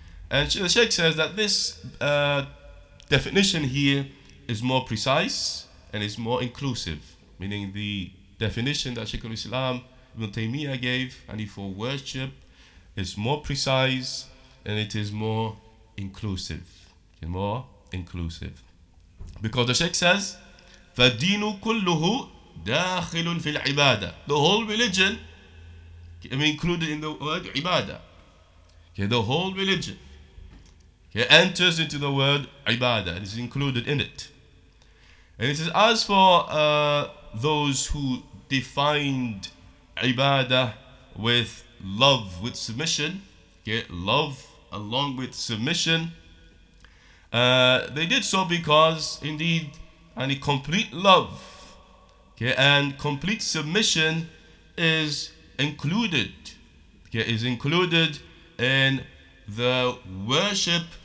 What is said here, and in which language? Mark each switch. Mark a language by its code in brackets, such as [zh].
[en] And the Sheikh says that this definition here is more precise and is more inclusive, meaning the definition that Sheikh al-Islam Ibn Taymiyyah gave and for worship is more precise and it is more inclusive. And more inclusive. Because the Sheikh says, [ar] فَدِينُ كُلُّهُ دَاخِلٌ فِي الْعِبَادَةِ. [en] The whole religion included in the word ibadah. Okay, the whole religion enters into the word ibadah. It is included in it. And it says, as for those who defined ibadah with love, with submission, love along with submission, they did so because indeed any complete love, okay, and complete submission is included, okay, is included in the worship